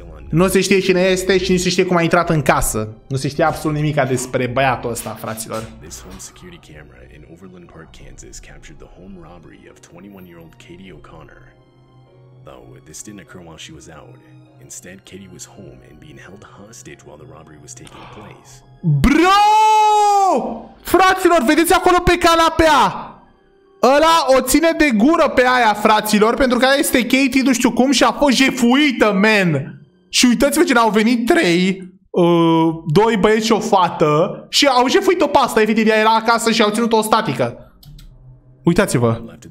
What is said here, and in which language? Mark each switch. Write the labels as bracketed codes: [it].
[ro] Nu se știe cine este și nu se știe cum a intrat în casă. Nu se știe absolut nimic despre băiatul ăsta, fraților. [en] This home security camera in Overland Park, Kansas captured the home robbery of 21-year-old Katie O'Connor. Though this didn't occur while she was out. Instead, Katie was home and being held hostage while the robbery was taking place. Bro! [ro] Fraților, vedeți acolo pe canapea? Ăla o ține de gură pe aia, fraților, pentru că aia este Katie, nu știu cum, și a fost jefuită, man. Și uitați-vă ce au venit trei, doi băieți și o fată, și au jefuit-o pe asta, evident, ea era acasă și au ținut-o statică. Uitați-vă.